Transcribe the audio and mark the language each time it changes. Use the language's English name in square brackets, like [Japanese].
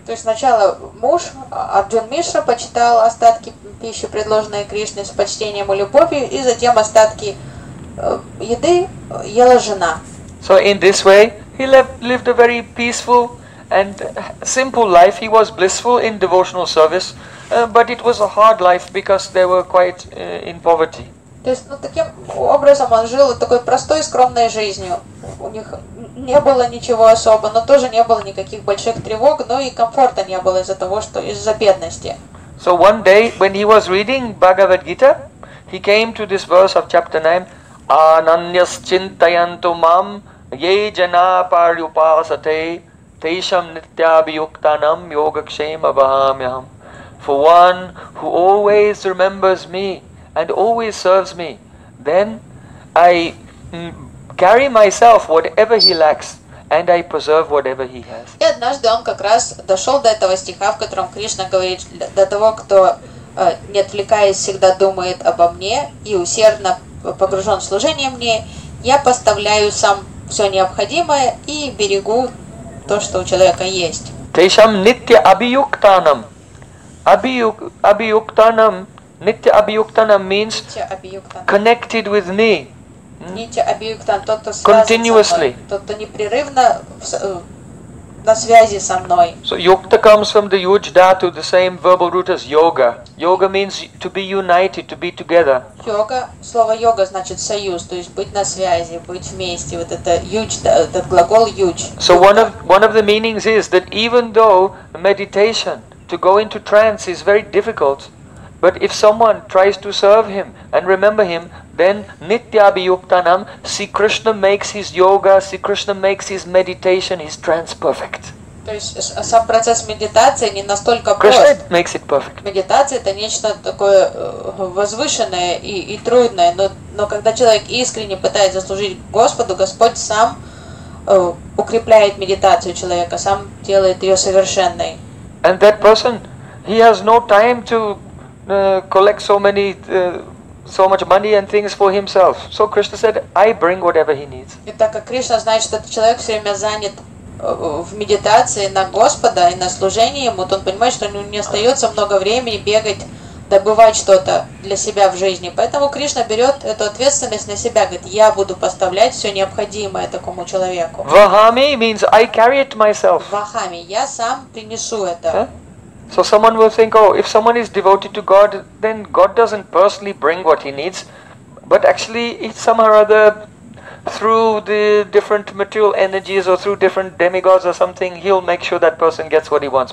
[Russian] То есть сначала муж, Арджун Миша, почитал остатки пищи, предложенные Кришне с почтением и любовью, и затем остатки еды ела жена. [English] So in this way, he lived a very peaceful and simple life. He was blissful in devotional service, but it was a hard life because they were quite in poverty. [Russian] То есть, ну, таким образом он жил такой простой, скромной жизнью. У них не было ничего особо, но тоже не было никаких больших тревог, но и комфорта не было из-за того, что из-за бедности. [English] So one day, when he was reading Bhagavad Gita, he came to this verse of chapter 9, [Sanskrit] Ananyas chintayantu mam ye jana paryupasate tesham nityabhiyuktanam yogakshema bahamyam. [English] For one who always remembers me and always serves me, then I carry myself whatever he lacks, and I preserve whatever he has. [Russian] И однажды он как раз дошел до этого стиха, в котором Кришна говорит, до того, кто не отвлекаясь всегда думает обо мне и усердно погружен в служение мне, я поставляю сам все необходимое и берегу то, что у человека есть. [Sanskrit] Тейшам нитья абиюктанам, абиюктанам. [English] Nitya abhiyuktana means connected with me. [Sanskrit] Nitya abhiyuktana, [Russian] тот, кто связан [English] continuously. [Russian] Со мной, тот, кто непрерывно на связи со мной. [English] So yukta comes from the yuj dhatu, the same verbal root as yoga. Yoga means to be united, to be together. [Russian] Yoga, слово yoga значит союз, то есть быть на связи, быть вместе. Вот это yuj, этот глагол yuj. [English] So one of the meanings is that even though meditation, to go into trance is very difficult, but if someone tries to serve him and remember him, then nitya abhiyuktanam, Sri Krishna makes his yoga, Sri Krishna makes his meditation, his trance perfect. [Russian] То есть сам процесс медитации не настолько прост. [English] Krishna makes it perfect. [Russian] Медитация это нечто такое возвышенное и трудное, но когда человек искренне пытается заслужить Господу, Господь сам укрепляет медитацию человека, сам делает ее совершенной. [English] And that person he has no time to collect so much money and things for himself. So Krishna said, I bring whatever he needs. [Russian] И так как Кришна знает, что этот человек все время занят в медитации на Господа и на служении ему, то он понимает, что у него не остается много времени бегать, добывать что-то для себя в жизни. Поэтому Кришна берет эту ответственность на себя, говорит, я буду поставлять все необходимое такому человеку. [English] Vahami means I carry it myself. [Russian] Vahami, я сам принесу это. [English] So someone will think, oh, if someone is devoted to God, then God doesn't personally bring what he needs, but actually, it's somehow or other, through the different material energies or through different demigods or something, he'll make sure that person gets what he wants.